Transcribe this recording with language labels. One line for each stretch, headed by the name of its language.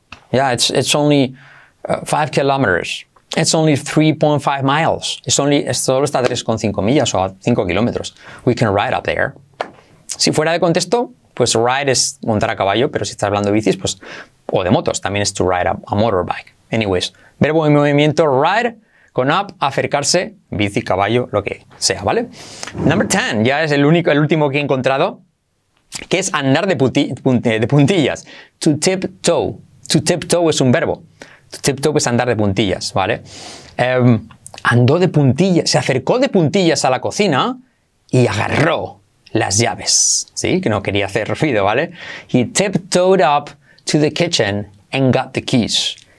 English: Yeah, it's only 5 kilometers. It's only 3.5 miles.
Spanish: Solo está 3,5 millas o 5 kilómetros.
English: We can ride up there.
Spanish: Si fuera de contexto, pues ride es montar a caballo, pero si estás hablando de bicis, pues, o de motos, también es
English: to ride a motorbike.
Spanish: Anyways, verbo en movimiento, ride, con up, acercarse, bici, caballo, lo que sea, ¿vale? Number 10, ya es el último que he encontrado, que es andar de puntillas.
English: To tiptoe.
Spanish: To tiptoe es un verbo. Tiptoe es andar de puntillas, ¿vale? Andó de puntillas, se acercó de puntillas a la cocina y agarró las llaves, ¿sí? Que no quería hacer ruido, ¿vale?
English: He tiptoed up to the kitchen and got the keys.